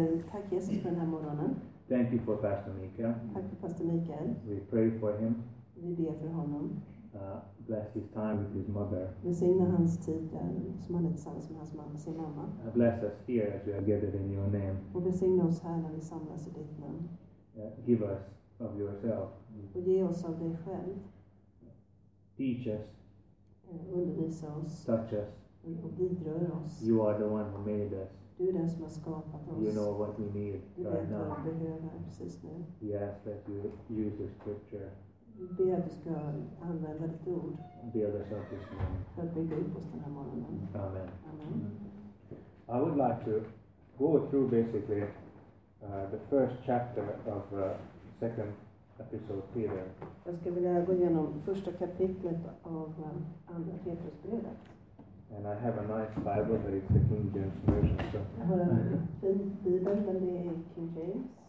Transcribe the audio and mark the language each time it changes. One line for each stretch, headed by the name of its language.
Swedish: Tack Jesus för den här morgonen.
English: Thank you for Pastor Mika.
Swedish: Tack för Pastor Mika.
English: We pray for him.
Swedish: Vi ber för honom.
English: Bless his time with his mother.
Swedish: Välsigna hans tid som han är tillsammans med hans mamma, sin mamma.
English: Bless us here as we are gathered in your name.
Swedish: Och välsigna oss här när vi samlas i ditt namn.
English: Give us of yourself.
Swedish: Och ge oss av dig själv.
English: Teach us.
Swedish: Undervisa oss.
English: Touch us.
Swedish: Och vidrör oss.
English: You are the one who made us.
Swedish: Du är den som har skapat oss.
English: You know what we need right now.
Swedish: Du vet vad vi behöver precis nu.
English: Yes, let you use the scripture.
Swedish: Be att du ska använda ditt ord. Be att du ska använda ditt ord. För att bygga upp oss den här morgonen. Amen. Amen.
English: I would like to go through basically the first chapter of second epistle of Peter.
Swedish: Jag ska vilja gå igenom första kapitlet av andra Petrus brevet.
English: And I have a nice Bible, but it's the King James version.
Swedish: Jag har en fin bibel, men det är King James.